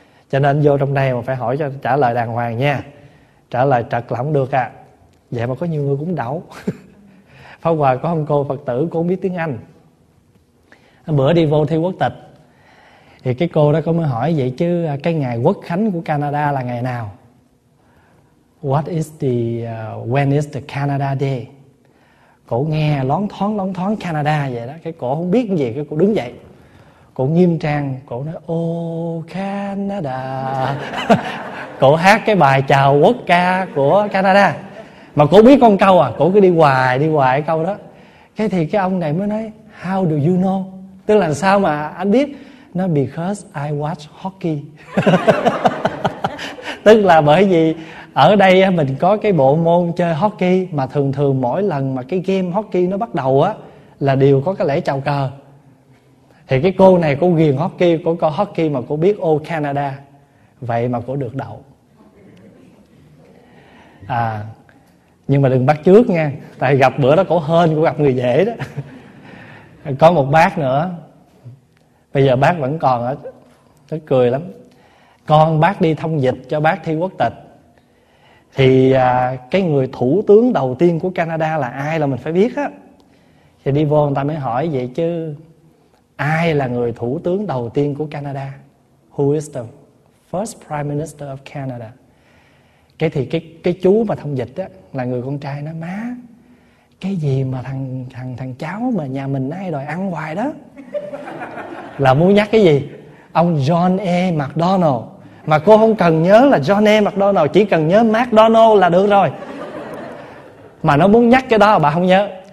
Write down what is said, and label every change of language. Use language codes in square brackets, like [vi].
[vi] Cho nên vô trong đây mà phải hỏi cho trả lời đàng hoàng nha. Trả lời trật là không được à. Vậy mà có nhiều người cũng đậu. Pháp Hòa có ông cô Phật tử cũng biết tiếng Anh. Bữa đi vô thi quốc tịch thì cái cô đó có mới hỏi vậy chứ cái ngày quốc khánh của Canada là ngày nào? [en] What is the when is the Canada Day? [vi] Cổ nghe lóng thoáng Canada vậy đó, cái cổ không biết gì, cái cổ đứng dậy. Cổ nghiêm trang, cổ nói ô Canada. Cổ hát cái bài chào quốc ca của Canada. Mà cổ biết con câu à, cổ cứ đi hoài cái câu đó. Cái thì cái ông này mới nói, [en] how do you know? [vi] Tức là sao mà anh biết? [en] Nó because I watch hockey. [vi] Tức là bởi vì ở đây mình có cái bộ môn chơi hockey, mà thường thường mỗi lần mà cái game hockey nó bắt đầu á là đều có cái lễ chào cờ. Thì cái cô này cô ghiền hockey, cô coi hockey mà cô biết ô Canada. Vậy mà cô được đậu. À, nhưng mà đừng bắt trước nha, tại gặp bữa đó cổ hên, cổ gặp người dễ đó. Có một bác nữa, bây giờ bác vẫn còn ở, tức cười lắm. Con bác đi thông dịch cho bác thi quốc tịch. Thì cái người thủ tướng đầu tiên của Canada là ai là mình phải biết á. Thì đi vô người ta mới hỏi vậy chứ, ai là người thủ tướng đầu tiên của Canada? [en] Who is the first prime minister of Canada? [vi] Cái thì cái chú mà thông dịch á là người con trai nó, má cái gì mà thằng cháu mà nhà mình nay đòi ăn hoài đó, là muốn nhắc cái gì? Ông John A. McDonald. Mà cô không cần nhớ là John A. McDonald, chỉ cần nhớ McDonald là được rồi. Mà nó muốn nhắc cái đó bà không nhớ.